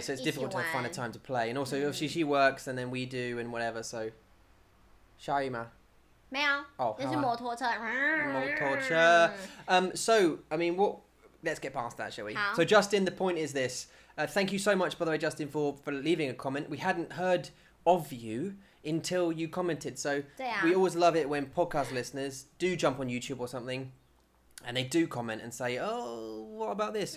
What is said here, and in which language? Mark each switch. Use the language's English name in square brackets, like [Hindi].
[English] so it's difficult to find a time to play. And also, obviously, she works and then we do and whatever, so... [Chinese] 下雨吗? 没有，那是摩托车。摩托车。 [English] So, I mean, what? Let's get past that, shall we? So, Justin, the point is this. Thank you so much, by the way, Justin, for leaving a comment. We hadn't heard of you until you commented. So we always love it when podcast listeners do jump on YouTube or something and they do comment and say, oh, what about this?